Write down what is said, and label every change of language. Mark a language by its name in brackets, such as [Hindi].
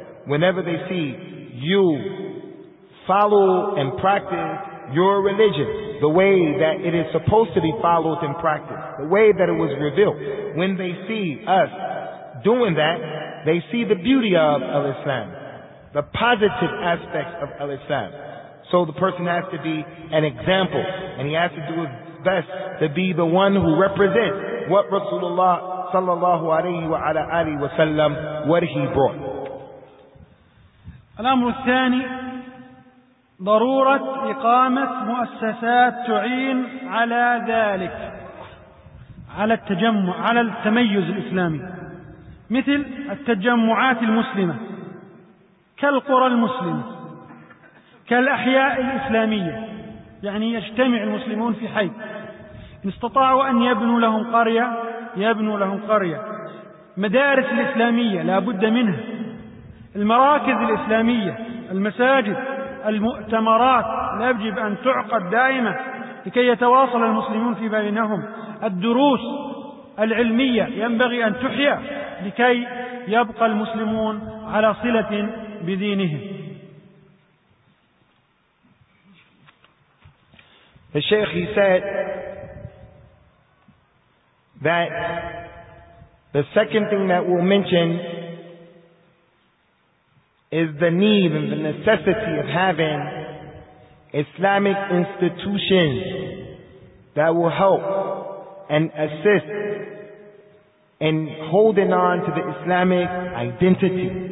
[English] Whenever they see you follow and practice your religion the way that it is supposed to be followed and practiced, the way that it was revealed, when they see us doing that, they see the beauty of al-Islam, the positive aspects of al-Islam. So the person has to be an example, and he has to do his best to be the one who represents what Rasulullah sallallahu alayhi wa ala alihi wa sallam, what he brought. [Arabic] الأمر الثاني، ضرورة إقامة مؤسسات تعين على ذلك، على التجمع، على التميز الإسلامي، مثل التجمعات المسلمة، كالقرى المسلمة، كالأحياء الإسلامية. يعني يجتمع المسلمون في حي، إن استطاعوا أن يبنوا لهم قرية يبنوا لهم قرية، مدارس الإسلامية لا بد منها، المراكز الإسلامية، المساجد، المؤتمرات لا يجب أن تعقد دائمة لكي يتواصل المسلمون في بينهم، الدروس العلمية ينبغي أن تحيا لكي يبقى المسلمون على صلة بدينهم. [English] الشيخ he said that the second thing that we'll mention is the need and the necessity of having Islamic institutions that will help and assist in holding on to the Islamic identity.